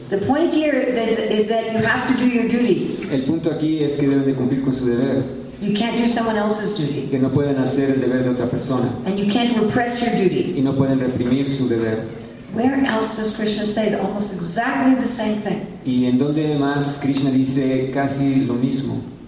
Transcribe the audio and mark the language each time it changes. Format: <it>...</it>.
<en>The point here is that you have to do your duty.</en> <es>El punto aquí es que deben de cumplir con su deber.</es> <en>You can't do someone else's duty.</en> <es>Que no pueden hacer el deber de otra persona.</es> <en>And you can't repress your duty.</en> <es>Y no pueden reprimir su deber.</es> <en>Where else does Krishna say almost exactly the same thing?</en> <es>¿Y en dónde más Krishna dice casi lo mismo?</es>